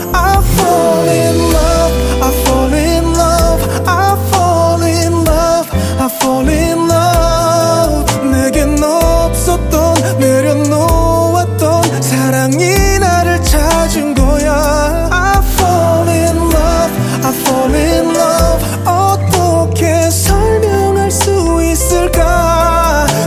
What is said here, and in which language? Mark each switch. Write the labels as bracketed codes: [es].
[en] I fall in love, I fall in love, I fall in love, I fall in love. [ko] 내겐 없었던 내려놓았던 사랑이 나를 찾은 거야. [en] I fall in love, I fall in love. [ko] 어떻게 설명할 수 있을까.